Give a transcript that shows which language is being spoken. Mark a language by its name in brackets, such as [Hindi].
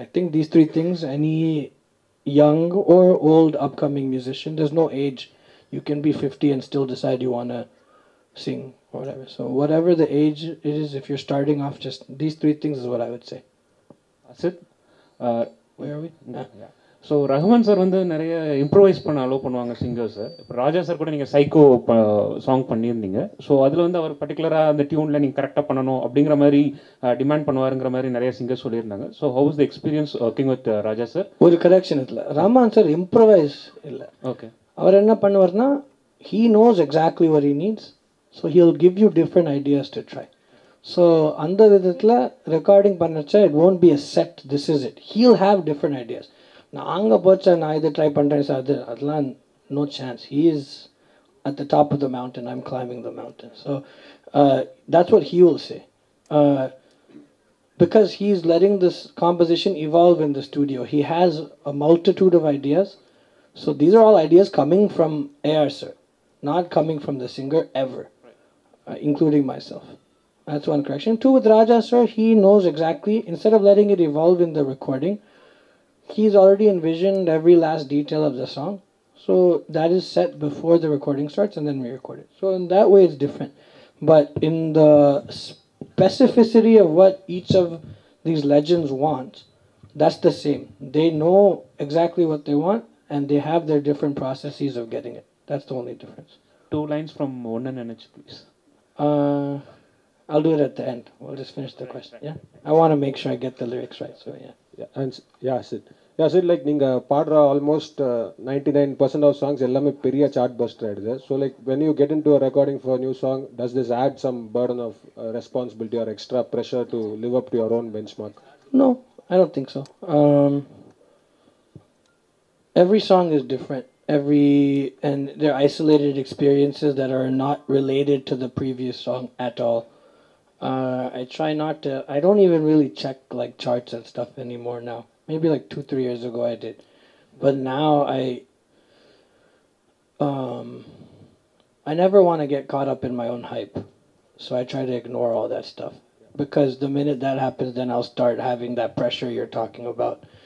[English] I think these three things, any young or old upcoming musician, there's no age. You can be 50 and still decide you want to sing or whatever. So whatever the age it is, if you're starting off, just these three things is what I would say. That's it. Where are we? [Tamil] So Rahman sir வந்து நிறைய improvise பண்ண allow பண்ணுவாங்க singers. இப்போ ராஜா sir கூட நீங்கள் psycho song பண்ணியிருந்தீங்க, so அதில் வந்து அவர் பர்டிகுலராக அந்த டியூனில் நீங்கள் கரெக்டாக பண்ணணும் அப்படிங்கிற மாதிரி டிமாண்ட் பண்ணுவாருங்கிற மாதிரி நிறைய சிங்கர்ஸ் சொல்லியிருந்தாங்க. [English] So how is the experience working with Raja sir? [Tamil] ஒரு கரெக்ஷன் இல்லை, ரஹ்மான் சார் இம்ப்ரோவைஸ் இல்லை. [English] okay, [Tamil] அவர் என்ன பண்ணுவார்னா, [English] He knows exactly what he needs, so he will give you different ideas to try. So [Tamil] அந்த விதத்தில் recording பண்ணச்சா [English] It won't be a set, this is it, he will have different ideas. [Tamil] நாங்கள் போச்சா நான் இதை try பண்ணுறேன் sir, அதெல்லாம் no chance. [English] He is at the top of the mountain, I am climbing the mountain. So that's what he will say, because he is letting this composition evolve in the studio. He has a multitude of ideas. So these are all ideas coming from AR sir, not coming from the singer ever, including myself. That's one correction. Too, with Raja sir, he knows exactly, instead of letting it evolve in the recording, he's already envisioned every last detail of the song, so that is set before the recording starts and then we record it. So in that way it's different, but in the specificity of what each of these legends wants, that's the same. They know exactly what they want and they have their different processes of getting it. That's the only difference. Two lines from One and NH please. I'll do it at the end. We'll just finish the question. Yeah, I want to make sure I get the lyrics right, so yeah. Yeah, and yeah, Sid. [Tamil] Yeah, Sid, like நீங்க பாடுற almost 99% of songs எல்லாமே பெரிய chart Bastar ஆயிடுது. [English] So like when you get into recording for new song, does this add some burden of responsibility or extra pressure to live up to your own benchmark? No, I don't think so. Every song is different, every and they're isolated experiences that are not related to the previous song at all. I try not to, I don't even really check like charts and stuff anymore now. Maybe like 2-3 years ago I did. But now I never want to get caught up in my own hype. So I try to ignore all that stuff. Because the minute that happens, then I'll start having that pressure you're talking about.